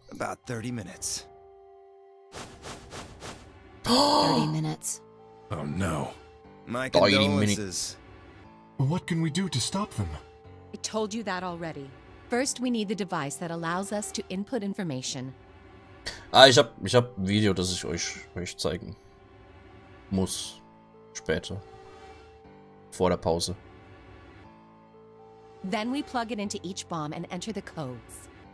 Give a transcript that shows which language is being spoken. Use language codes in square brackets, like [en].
[en] About 30 minutes. 30 minutes. Oh no. My condolences. What can we do to stop them? I told you that already. First, we need the device that allows us to input information. [de] Ich hab ein Video, das ich euch zeigen muss. Später. Vor der Pause. [en] Then we plug it into each bomb and enter the codes.